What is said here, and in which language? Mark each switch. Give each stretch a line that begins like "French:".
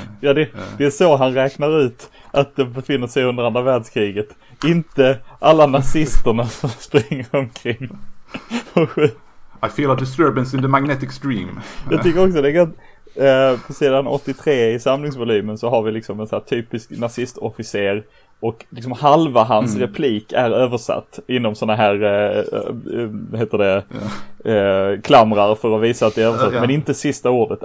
Swedish: Ja, det är så han räknar ut att det befinner sig under andra världskriget. Inte alla nazisterna som springer omkring.
English: I feel a disturbance in the magnetic stream.
Swedish: Jag tycker också det är gott. På sidan 83 i samlingsvolymen så har vi liksom en så här typisk nazistofficer. Och liksom halva hans replik är översatt inom såna här klamrar för att visa att det är översatt, men inte sista ordet.